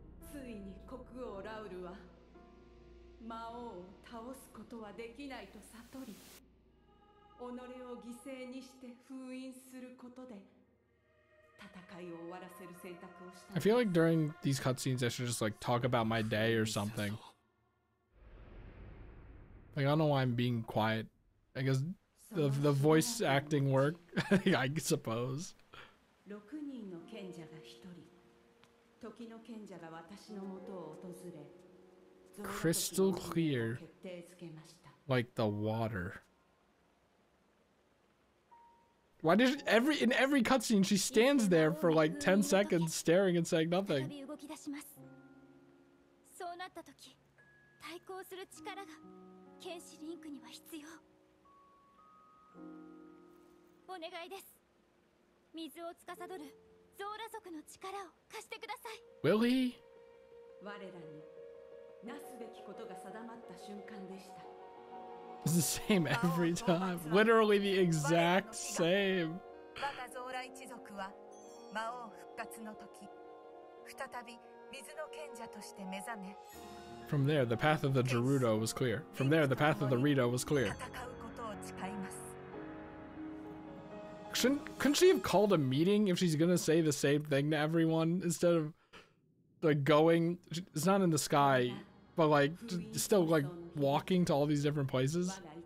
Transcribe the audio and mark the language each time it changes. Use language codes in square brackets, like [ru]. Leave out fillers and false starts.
[ja] ついに国王ラウルは魔王を倒すことはできないと悟り、己を犠牲にして封印することで戦いを終わらせる選択をした。 [en] I feel like during these cutscenes, I should just like talk about my day or something. Like, I don't know why I'm being quiet. I guess the voice acting work, I suppose. [ja] 六人の賢者が一人。時の賢者が私の元を訪れ、 [en] Crystal clear, like the water. Why did in every cutscene she stands there for like 10 seconds staring and saying nothing? [ja] 再び動き出します。そうなった時、対抗する力が剣士リンクには必要。お願いです。水を司る。ゾーラ族の力を貸してください。 [en] Will he? [ja] 我らになすべきことが定まった瞬間でした。 [en] It's the same every time. Literally the exact same. [ja] 我がゾーラ一族は魔王復活の時、再び水の賢者として目覚め。 [en] From there, the path of the Gerudo was clear. From there, the path of the Rito was clear. [ja] 戦うことを誓います。 [en] Couldn't she have called a meeting if she's gonna say the same thing to everyone instead of like going? It's not in the sky, but like still like walking to all these different places.